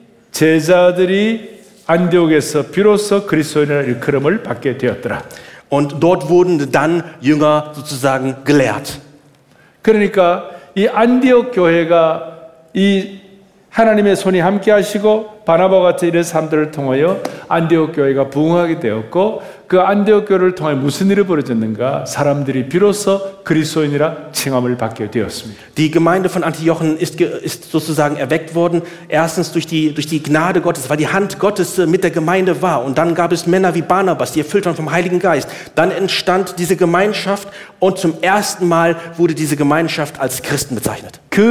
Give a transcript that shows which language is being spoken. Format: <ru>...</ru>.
<ko>제자들이 안디옥에서 비로소 그리스도인의 일컬음을 받게 되었더라.</ko> <de>Und dort wurden dann Jünger sozusagen gelehrt.</de> <ko>그러니까 이 안디옥 교회가 이 하나님의 손이 함께 하시고 바나바 같은 이런 사람들을 통하여 안디옥 교회가 부흥하게 되었고 그 안디옥 교회를 통해 무슨 일이 벌어졌는가 사람들이 비로소 그리스도인이라 칭함을 받게 되었습니다.</ko> <de>Die Gemeinde von Antiochien ist sozusagen erweckt worden. Erstens durch die Gnade Gottes, weil die Hand Gottes mit der Gemeinde war und dann gab es Männer wie Barnabas, die erfüllt waren vom Heiligen Geist. Dann entstand diese Gemeinschaft und zum ersten Mal wurde diese Gemeinschaft als Christen bezeichnet.</de>